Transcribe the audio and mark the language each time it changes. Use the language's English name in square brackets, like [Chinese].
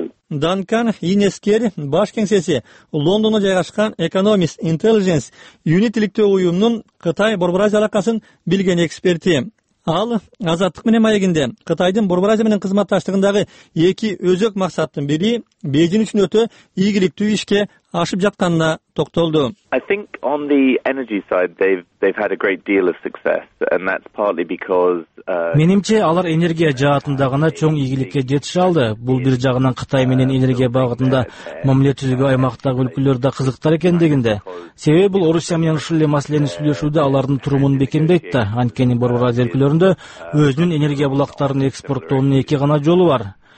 [Kyrgyz] Данкан Инескер баш кеңсеси Лондондо жайгашкан Economist Intelligence Unit иликтөө уюмунун Кытай Борбор Азия алакасын билген эксперти. Ал Азаттык менен маегинде Кытайдын Борбор Азия менен кызматташтыгындагы эки өзөк максаттын бири Бээжин үчүн өтө ийгиликтүү ишке ашып жатканына токтолду. [English] I think on the energy side they've had a great deal of success and that's partly because [Kyrgyz] Менимче алар энергия жаатында гана чоң ийгиликке жетише алды. Бул бир жагынан Кытай менен энергия багытында мамиле түзүүгө аймактагы өлкөлөр да кызыктар экен дегенде. Себеби бул Орусия менен ушул эле маселени сүйлөшүүдө алардын турумун бекемдейт да. Анткени Борбор Азия өлкөлөрүндө өзүнүн энергия булактарын экспорттоонун эки гана жолу бар.